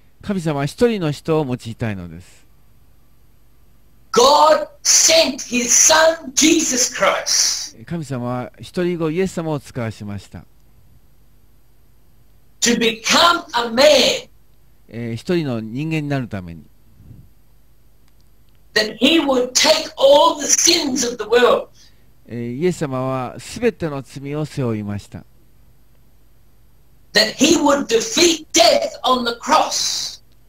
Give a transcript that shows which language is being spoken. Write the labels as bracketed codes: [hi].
[ja] 神様は一人の人を用いたいのです。 [en] God sent his son, Jesus Christ. [ja] 神様は一人子イエス様を使わしました。 [en] To become a man, [ja] 一人の人間になるために。 [en] That he would take all the sins of the world. [ja] イエス様はすべての罪を背負いました。 [en] That he would defeat death on the cross.